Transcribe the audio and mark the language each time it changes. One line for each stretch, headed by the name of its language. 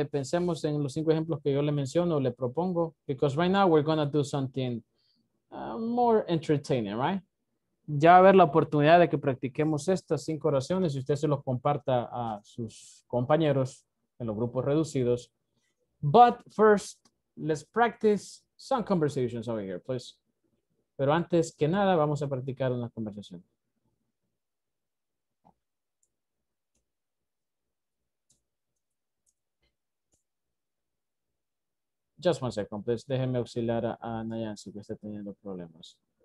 Spanish: Y pensemos en los cinco ejemplos que yo le menciono, le propongo.
English: Because right now we're going to do something more entertaining, right?
Spanish: Ya va a haber la oportunidad de que practiquemos estas cinco oraciones y usted se los comparta a sus compañeros en los grupos reducidos.
English: But first, let's practice some conversations over here, please.
Spanish: Pero antes que nada, vamos a practicar una conversación.
English: Just one second, please.
Spanish: Déjeme auxiliar a Nayansi, que está teniendo problemas.